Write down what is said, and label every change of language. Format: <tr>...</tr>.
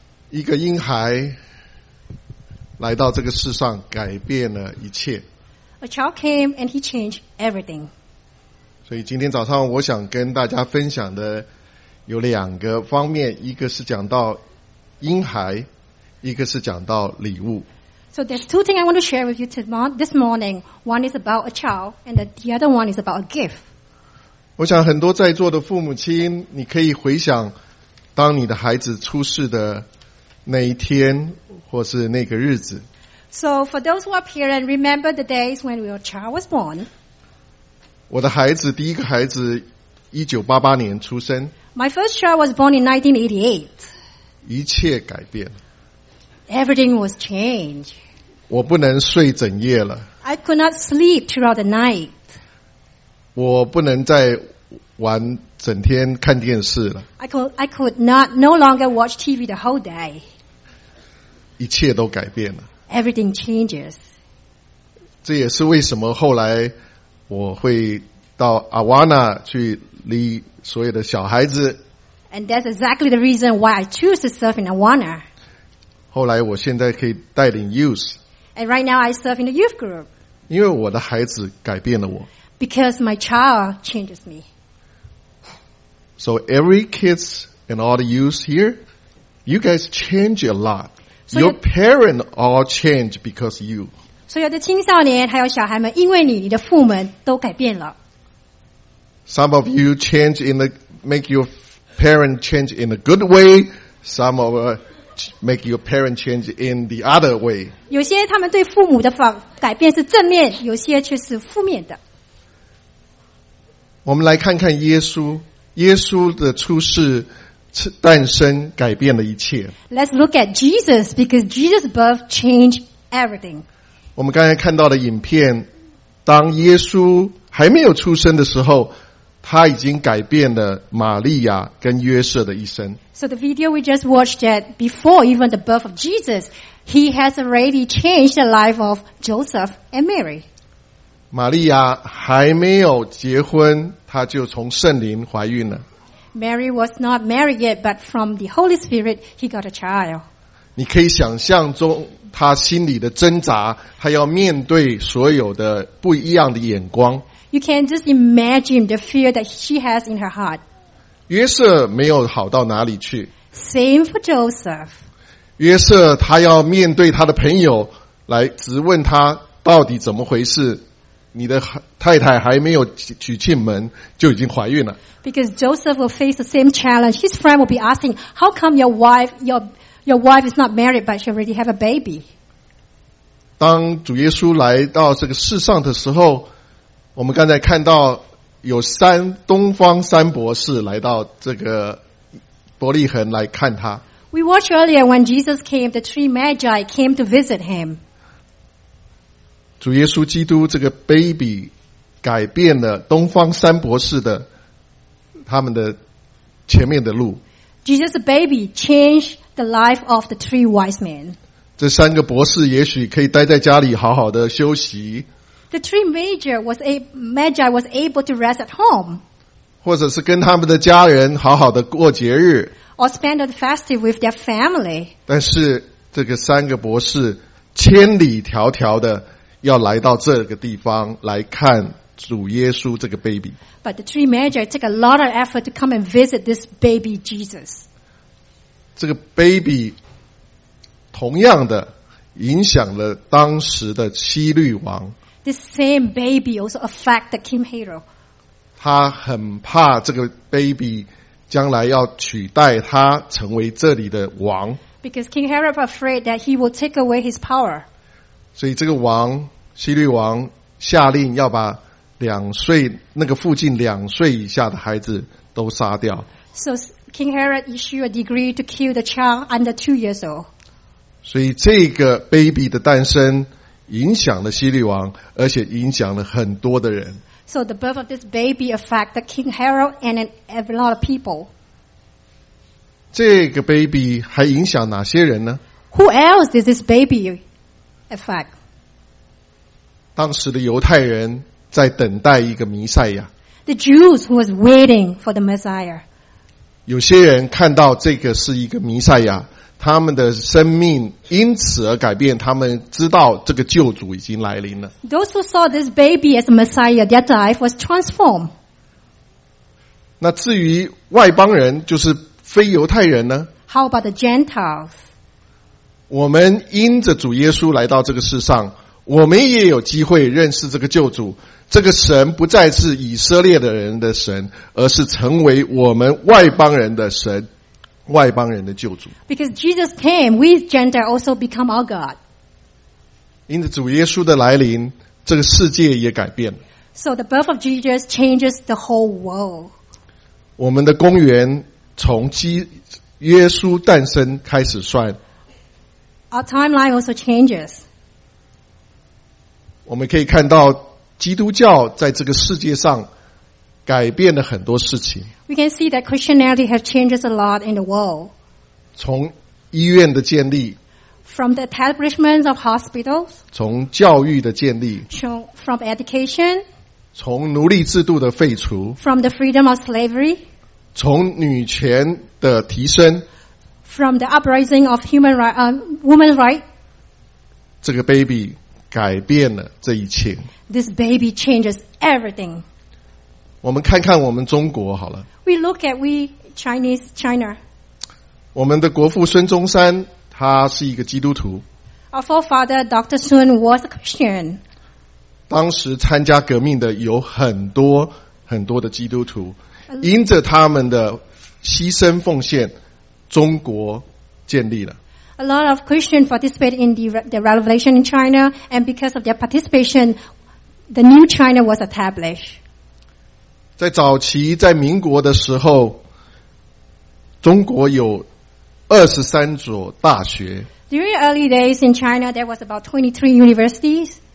<zh>一个婴孩来到这个世上，改变了一切。</zh> <en>A child came and he changed everything.</en> <zh>所以今天早上我想跟大家分享的有两个方面，一个是讲到婴孩，一个是讲到礼物。</zh> <en>So there's two things I want to share with you this morning. One is about a child, and the other one is about a gift.</en> <zh>我想很多在座的父母亲，你可以回想当你的孩子出世的那一天，或是那个日子。</zh> <en>So for those who are parents, remember the days when your child was born.</en> <zh>我的孩子，第一个孩子1988年出生。</zh> <en>My first child was born in 1988.</en> <zh>一切改变了。</zh> <en>Everything was changed.</en> <zh>我不能睡整夜了。</zh> <en>I could not sleep throughout the night.</en> <zh>我不能再玩整天看电视了。</zh> <en>I could no longer watch TV the whole day.</en> <zh>一切都改变了。</zh> <en>Everything changes.</en> <zh>这也是为什么后来我会到 Awana 去离所有的小孩子。</zh> <en>And that's exactly the reason why I choose to serve in Awana.</en> <zh>后来我现在可以带领 youth.</zh> <en>And right now I serve in the youth group.</en> <zh>因为我的孩子改变了我。</zh> <en>Because my child changes me. So every kids and all the youth here, you guys change a lot. So your parents all change because you.</en> <zh>所有的青少年还有小孩们，因为你的父母都改变了。</zh> <en>Some of you change in the, make your parents change in a good way. Some of make your parent change in the other way.</en> <zh>有些他们对父母的改变是正面，有些却是负面的。我们来看看耶稣，耶稣的出世、诞生改变了一切。</zh> <en>Let's look at Jesus because Jesus' birth changed everything.</en> <zh>我们刚才看到的影片，当耶稣还没有出生的时候，他已经改变了玛利亚跟约瑟的一生。</zh> <en>So the video we just watched that before even the birth of Jesus, he has already changed the life of Joseph and Mary.</en> <zh>玛利亚还没有结婚，她就从圣灵怀孕了。</zh> <en>Mary was not married yet, but from the Holy Spirit, he got a child.</en> <zh>你可以想象中她心里的挣扎，她要面对所有的不一样的眼光。</zh> <en>You can just imagine the fear that she has in her heart.</en> <zh>约瑟没有好到哪里去。</zh> <en>Same for Joseph.</en> <zh>约瑟他要面对他的朋友来质问他到底怎么回事，你的太太还没有娶进门就已经怀孕了。</zh> <en>Because Joseph will face the same challenge. His friend will be asking, how come your wife is not married but she already have a baby?</en> <zh>当主耶稣来到这个世上的时候，我们刚才看到有三东方三博士来到这个伯利恒来看他。</zh> <en>We watched earlier when Jesus came, the three magi came to visit him.</en> <zh>主耶稣基督这个 baby 改变了东方三博士的他们的前面的路。</zh> <en>Jesus' baby changed the life of the three wise men.</en> <zh>这三个博士也许可以待在家里好好的休息。</zh> <en>The three magi was able to rest at home.</en> <zh>或者是跟他们的家人好好的过节日。</zh> <en>Or spend the festive with their family.</en> <zh>但是这个三个博士千里迢迢的要来到这个地方来看主耶稣这个 baby.</zh> <en>But the three magi took a lot of effort to come and visit this baby Jesus.</en> <zh>这个 baby 同样的影响了当时的希律王。</zh> <en>The same baby also affect the King Herod.</en> <zh>他很怕这个 baby 将来要取代他成为这里的王。</zh> <en>Because King Herod afraid that he will take away his power.</en> <zh>所以这个王，希律王下令要把两岁，那个附近两岁以下的孩子都杀掉。</zh> <en>So King Herod issued a decree to kill the child under 2 years old.</en> <zh>所以这个 baby 的诞生影响了希律王，而且影响了很多的人。</zh> <en>So the birth of this baby affected King Herod and a lot of people.</en> <zh>这个 baby 还影响哪些人呢？</zh> <en>Who else is this baby? effect.</en> <zh>当时的犹太人在等待一个弥赛亚。</zh> <en>The Jews who was waiting for the Messiah.</en> <zh>有些人看到这个是一个弥赛亚，他们的生命因此而改变，他们知道这个救主已经来临了。</zh> <en>Those who saw this baby as a Messiah, their life was transformed.</en> <zh>那至于外邦人，就是非犹太人呢？</zh> <en>How about the Gentiles?</en> <zh>我们因着主耶稣来到这个世上，我们也有机会认识这个救主。这个神不再是以色列的人的神，而是成为我们外邦人的神，外邦人的救主。</zh> <en>Because Jesus came, we Gentiles also become our God.</en> <zh>因着主耶稣的来临，这个世界也改变了。</zh> <en>So the birth of Jesus changes the whole world.</en> <zh>我们的公元从耶稣诞生开始算。</zh> <en>Our timeline also changes.</en> <zh>我们可以看到基督教在这个世界上改变了很多事情。</zh> <en>We can see that Christianity has changed a lot in the world.</en> <zh>从医院的建立。</zh> <en>From the establishment of hospitals.</en> <zh>从教育的建立。</zh> <en>From education.</en> <zh>从奴隶制度的废除。</zh> <en>From the freedom of slavery.</en> <zh>从女权的提升。</zh> <en>From the uprising of human right, woman right.</en> <zh>这个 baby 改变了这一切。</zh> <en>This baby changes everything.</en> <zh>我们看看我们中国好了。</zh> <en>We look at we Chinese China.</en> <zh>我们的国父孙中山他是一个基督徒。</zh> <en>Our forefather Dr. Sun was a Christian.</en> <zh>当时参加革命的有很多很多的基督徒，因着他们的牺牲奉献，中国建立了。</zh> <en>A lot of Christians participated in the revolution in China, and because of their participation,The new China was established.</en> <zh>在早期，在民国的时候，中国有23所大学。</zh> <en>During the early days in China, there was about 23 universities.</en>